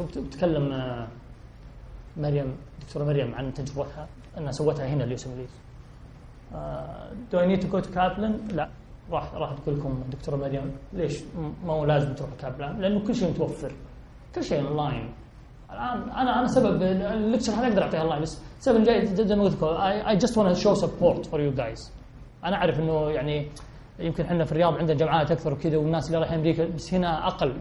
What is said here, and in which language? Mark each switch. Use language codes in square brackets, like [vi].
[ar] وبتكلم مريم دكتورة مريم عن تجربتها أنها سوتها هنا اليوسمليز. [en] Do I need to go to Kaplan؟ [ar] لا. راح تقول لكم دكتورة مريم ليش مو لازم تروح كابلان، لأنه كل شيء متوفر، كل شيء أونلاين الآن. أنا سبب الليكتشر هذا أقدر أعطيها أونلاين، بس سبب جاي جداً مذكور. [en] I just want to show support for you guys. [ar] أنا أعرف إنه يعني يمكن إحنا في الرياض عندنا جامعات أكثر وكذا، والناس اللي رايحين أمريكا بس هنا أقل.